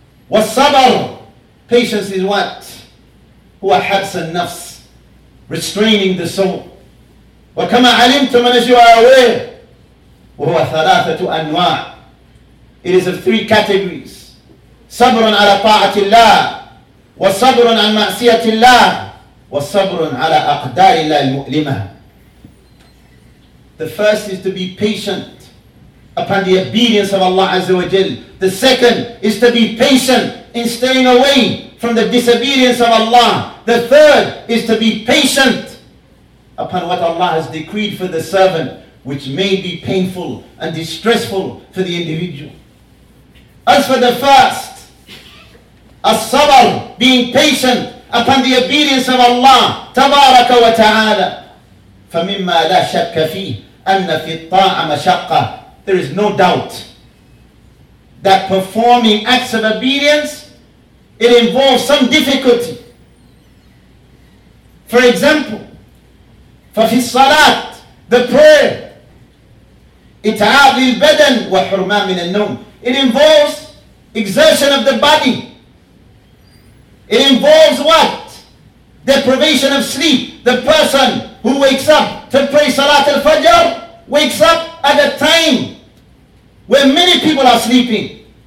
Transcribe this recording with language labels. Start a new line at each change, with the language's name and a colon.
English: Wasabar, patience is what?
Arabic: Huwa habsan nafs,
English: restraining the soul.
Arabic: Wa kama alimtum,
English: and as you are aware,
Arabic: wahuwa thalathatu anwa',
English: it is of three categories.
Arabic: Sabrun ala ta'atillah, وَصَبْرٌ عَنْ مَعْسِيَةِ اللَّهِ وَصَبْرٌ عَلَىٰ أَقْدَارِ اللَّهِ الْمُؤْلِمَةِ.
English: The first is to be patient upon the obedience of Allah Azza wa Jal. The second is to be patient in staying away from the disobedience of Allah. The third is to be patient upon what Allah has decreed for the servant, which may be painful and distressful for the individual. As for the first, الصَّبْرُ being patient upon the obedience of Allah تبارك وتعالى.
Arabic: فمما لا شك فيه أن في الطاعة مشقة.
English: There is no doubt that performing acts of obedience, it involves some difficulty. For example,
Arabic: ففي الصلاة,
English: the prayer,
Arabic: إتعاب للبدن وحرمة من النوم.
English: It involves exertion of the body. It involves what? Deprivation of sleep. The person who wakes up to pray Salat al-Fajr wakes up at a time where many people are sleeping.